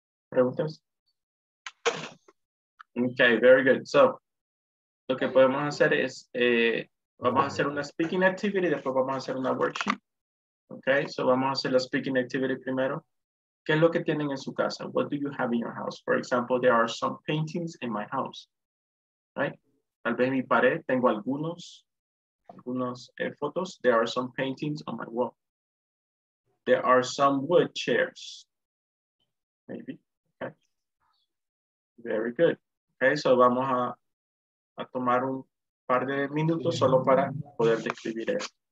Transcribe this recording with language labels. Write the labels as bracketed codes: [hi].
[es] ¿Preguntas? [en] Okay, very good. [es] So, lo que podemos hacer es, vamos a hacer una [en] speaking activity, [es] después vamos a hacer una worksheet. [en] Okay, so [es] vamos a hacer la [en] speaking activity [es] primero. ¿Qué es lo que tienen en su casa? [en] What do you have in your house? For example, there are some paintings in my house. Right? [es] Tal vez en mi pared tengo algunos fotos. [en] There are some paintings on my wall. There are some wood chairs. Maybe. Okay. Very good. Okay, so [es] vamos a tomar un par de minutos solo para poder describir esto.